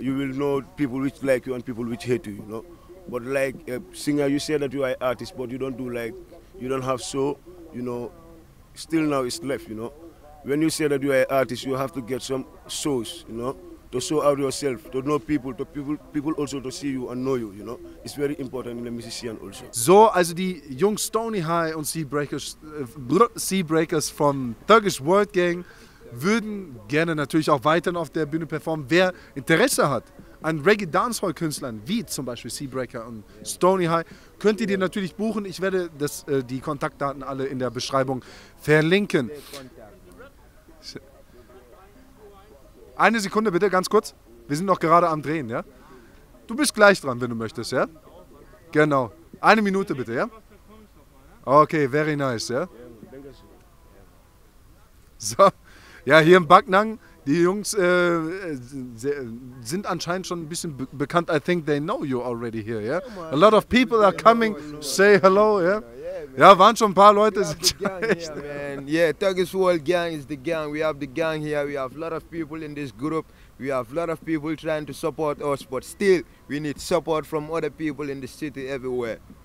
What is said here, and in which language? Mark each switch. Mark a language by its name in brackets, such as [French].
[English] You will know people which like you and people which hate you, you know. But like a singer, you say that you are an artist, but you don't do like, you don't have so, you know, still now it's left, you know. When you say that you are an artist, you have to get some shows, you know, to show out yourself, to know people, to people also to see you and know you, you know. It's very important in the musician also. [German] So, also die Jungs Stony High und Sea Breakers from Thuggish World Gang würden gerne natürlich auch weiterhin auf der Bühne performen. Wer Interesse hat an Reggae-Dancehall-Künstlern wie zum Beispiel Seabreaker und Stony High, könnt ihr die natürlich buchen. Ich werde die Kontaktdaten alle in der Beschreibung verlinken. Eine Sekunde bitte, ganz kurz. Wir sind noch gerade am Drehen, ja? Du bist gleich dran, wenn du möchtest, ja? Genau. Eine Minute bitte, ja? [English] Okay, very nice, [German] ja? So. Ja, hier im Backnang, die Jungs sind anscheinend schon ein bisschen bekannt. [English] I think they know you already here, yeah? A lot of people are coming, say hello, yeah? [German] Ja, waren schon ein paar Leute. [English] We have the gang here, man. Yeah, Thuggish World Gang is the gang. We have the gang here. We have a lot of people in this group. We have a lot of people trying to support us, but still, we need support from other people in the city everywhere.